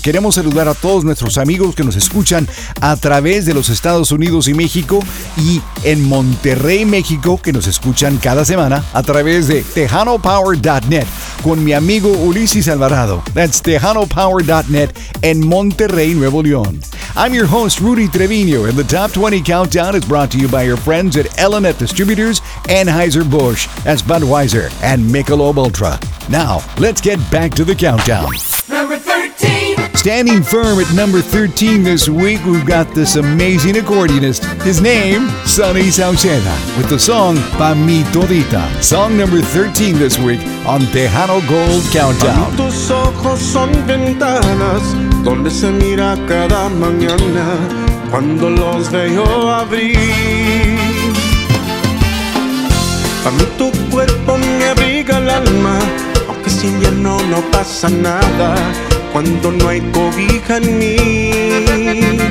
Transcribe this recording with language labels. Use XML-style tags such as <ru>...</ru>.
<es>Queremos saludar a todos nuestros amigos que nos escuchan a través de los Estados Unidos y México y en Monterrey, México, que nos escuchan cada semana a través de TejanoPower.net con mi amigo Ulises Alvarado.</es> <en>That's TejanoPower.net en Monterrey, Nuevo León. I'm your host, Rudy Treviño, and the Top 20 Countdown is brought to you by your friends at Elanet Distributors, Anheuser-Busch, S. Budweiser, and Michelob Ultra. Now, let's get back to the countdown. Number 13! Standing firm at number 13 this week, we've got this amazing accordionist. His name, Sonny Sauceda, with the song, Pa' Mi Todita. Song number 13 this week on Tejano Gold Countdown.</en> <es>Tus ojos son ventanas, donde se mira cada mañana, cuando los veo abrir. A mí tu cuerpo me abriga el alma, aunque sin ya no, no pasa nada, cuando no hay cobija en mí.</es>